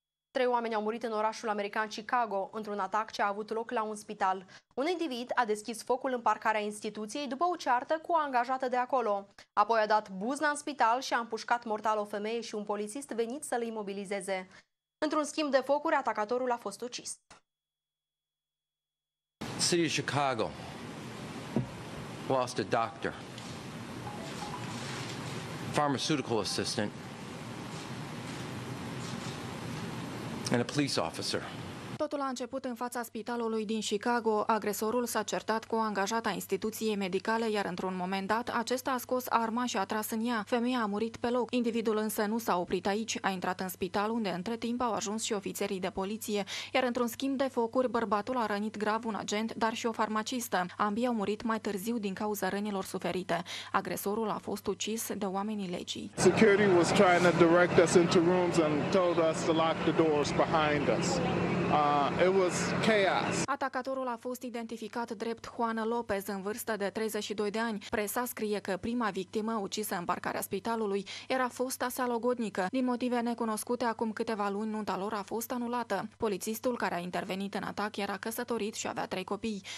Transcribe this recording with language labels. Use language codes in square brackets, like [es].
[ro] 3 oameni au murit în orașul american Chicago într-un atac ce a avut loc la un spital. Un individ a deschis focul în parcarea instituției după o ceartă cu o angajată de acolo. Apoi a dat buzna în spital și a împușcat mortal o femeie și un polițist venit să-l imobilizeze. Într-un schimb de focuri, atacatorul a fost ucis. [en] City of Chicago lost a doctor, pharmaceutical assistant, and a police officer. [ro] Totul a început în fața spitalului din Chicago. Agresorul s-a certat cu o angajată a instituției medicale, iar într-un moment dat, acesta a scos arma și a tras în ea. Femeia a murit pe loc. Individul însă nu s-a oprit aici. A intrat în spital, unde între timp au ajuns și ofițerii de poliție. Iar într-un schimb de focuri, bărbatul a rănit grav un agent, dar și o farmacistă. Ambii au murit mai târziu din cauza rănilor suferite. Agresorul a fost ucis de oamenii legii. [en] Security was trying to direct us into rooms and told us to lock the doors behind us. It was chaos. [ro] Atacatorul a fost identificat drept Juan Lopez, în vârstă de 32 de ani. Presa scrie că prima victimă ucisă în parcarea spitalului era fosta sa logodnică. Din motive necunoscute, acum câteva luni, nunta lor a fost anulată. Polițistul care a intervenit în atac era căsătorit și avea 3 copii.